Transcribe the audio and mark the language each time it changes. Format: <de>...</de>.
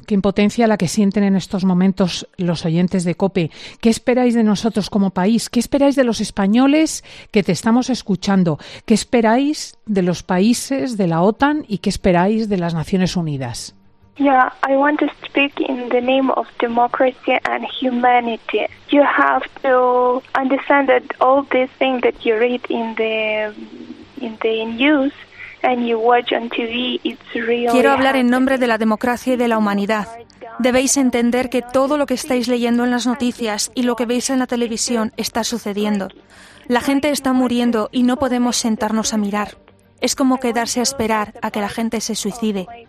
<es>Qué impotencia la que sienten en estos momentos los oyentes de COPE. ¿Qué esperáis de nosotros como país? ¿Qué esperáis de los españoles que te estamos escuchando? ¿Qué esperáis de los países de la OTAN y qué esperáis de las Naciones Unidas?</es> <en>Yeah, I want to speak in the name of democracy and humanity. You have to understand that all these things that you read in the news and you watch on TV, it's real.</en> <es>Quiero hablar en nombre de la democracia y de la humanidad. Debéis entender que todo lo que estáis leyendo en las noticias y lo que veis en la televisión está sucediendo. La gente está muriendo y no podemos sentarnos a mirar. Es como quedarse a esperar a que la gente se suicide.</es>